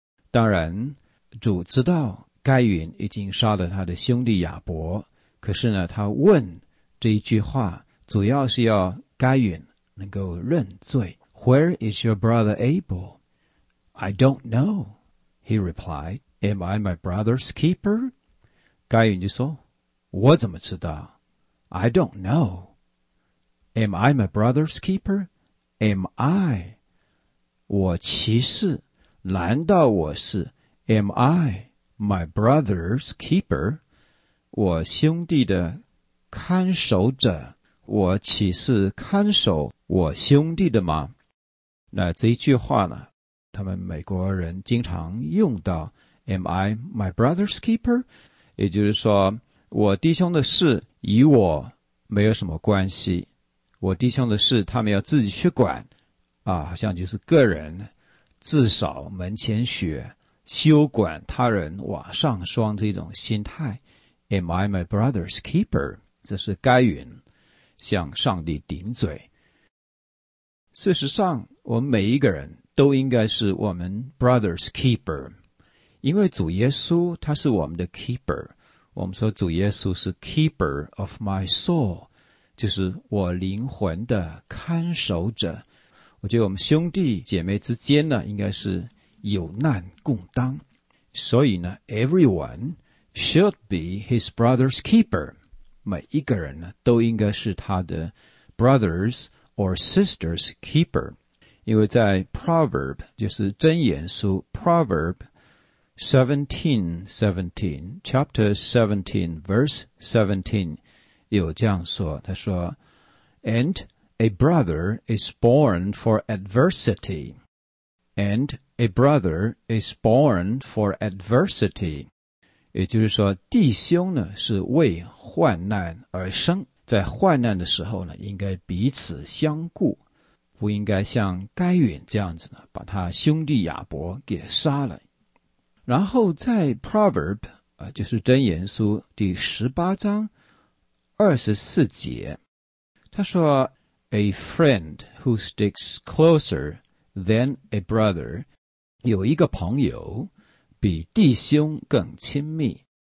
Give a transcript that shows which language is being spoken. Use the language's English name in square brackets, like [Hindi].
[Chinese] 当然主知道该隐已经杀了他的兄弟亚伯可是呢他问这一句话主要是要该隐能够认罪 [English] Where is your brother Abel? I don't know, he replied. Am I my brother's keeper? [Chinese] 该隐就说我怎么知道 [English] I don't know. Am I my brother's keeper? Am I? [Chinese] 我其实难道我是 [English] Am I my brother's keeper? [Chinese] 我兄弟的看守者我岂是看守我兄弟的吗？那这一句话呢，他们美国人经常用到 [English] Am I my brother's keeper? [Chinese] 也就是说我弟兄的事与我没有什么关系，我弟兄的事他们要自己去管啊，好像就是个人自扫门前雪，休管他人瓦上霜这种心态。 [English] Am I my brother's keeper? [Chinese] 这是该隐向上帝顶嘴。事实上我们每一个人都应该是我们 brother's keeper， 因为主耶稣他是我们的 keeper， 我们说主耶稣是 [English] keeper of my soul， [Chinese] 就是我灵魂的看守者。我觉得我们兄弟姐妹之间呢，应该是有难共当，所以呢 [English] everyone should be his brother's keeper， [Chinese] 每一个人呢都应该是他的 [English] brothers or sisters keeper， [Chinese] 因为在 proverb 就是箴言书 proverb [English] 17:17 chapter 17 verse 17 [Chinese] 有这样说，他说 [English] ，and a brother is born for adversity， and a brother is born for adversity。 [Chinese] 也就是说弟兄呢是为患难而生，在患难的时候呢应该彼此相顾，不应该像该隐这样子呢把他兄弟亚伯给杀了。然后在 Proverb 就是箴言书第十八章二十四节，他说 [English] A friend who sticks closer than a brother， [Chinese] 有一个朋友比弟兄更亲密。